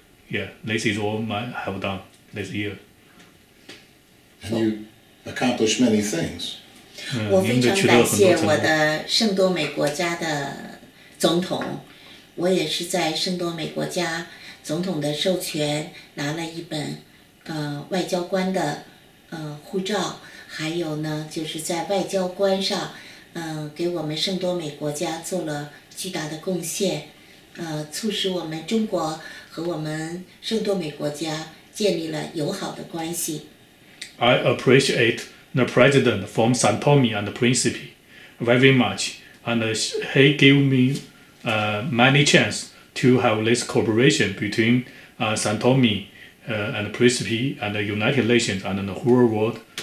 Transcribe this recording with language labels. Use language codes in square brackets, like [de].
[en] Yeah, this is all I have done this year. And you accomplished many things. [zh] 我非常感谢我的圣多美国家的 总统，我也是在圣多美国家总统的授权拿了一本外交官的护照，还有呢，就是在外交官上，给我们圣多美国家做了巨大的贡献，促使我们中国和我们圣多美国家建立了友好的关系。 [en] I appreciate the president from San Tomé and Principe very much, and he gave me many chance to have this cooperation between San Tomé and Principe and the United Nations and the whole world.